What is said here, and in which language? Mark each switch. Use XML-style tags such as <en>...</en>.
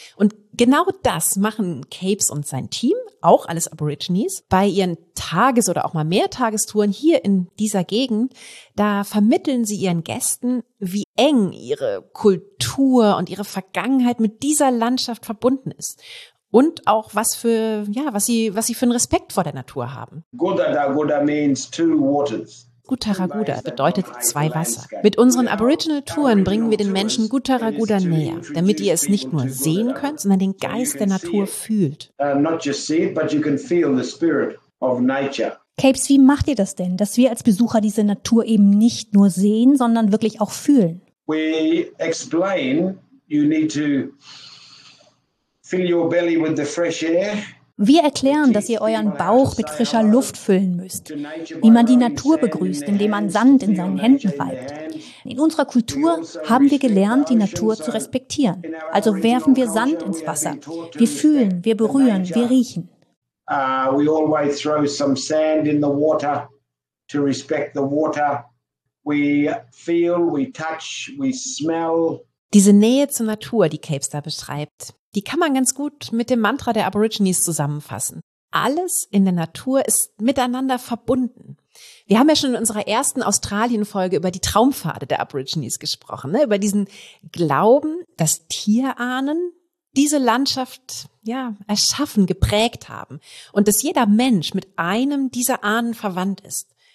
<de>Und genau das machen Capes und sein Team, auch alles Aborigines, bei ihren Tages- oder auch mal Mehrtagestouren hier in dieser Gegend. Da vermitteln sie ihren Gästen, wie eng ihre Kultur und ihre Vergangenheit mit dieser Landschaft verbunden ist. Und auch was sie für einen Respekt vor der Natur haben.</de> <en>Gudaragudra means two waters.</en> <de>Gudaragudra bedeutet zwei Wasser. Mit unseren Aboriginal-Touren bringen wir den Menschen Gudaragudra näher, damit ihr es nicht nur sehen könnt, sondern den Geist der Natur fühlt. Capes, wie macht ihr das denn, dass wir als Besucher diese Natur eben nicht nur sehen, sondern wirklich auch fühlen?</de> <en>We explain, you need to fill your belly with the fresh air.</en> <de>Wir erklären, dass ihr euren Bauch mit frischer Luft füllen müsst, wie man die Natur begrüßt, indem man Sand in seinen Händen reibt. In unserer Kultur haben wir gelernt, die Natur zu respektieren. Also werfen wir Sand ins Wasser. Wir fühlen, wir berühren, wir riechen.</de> <en>We always throw some sand in the water to respect the water. We feel, we touch, we smell.</en> <de>Diese Nähe zur Natur, die Capes da beschreibt, die kann man ganz gut mit dem Mantra der Aborigines zusammenfassen. Alles in der Natur ist miteinander verbunden. Wir haben ja schon in unserer ersten Australien-Folge über die Traumpfade der Aborigines gesprochen, ne? Über diesen Glauben, dass Tierahnen diese Landschaft ja erschaffen, geprägt haben und dass jeder Mensch mit einem dieser Ahnen verwandt ist.</de>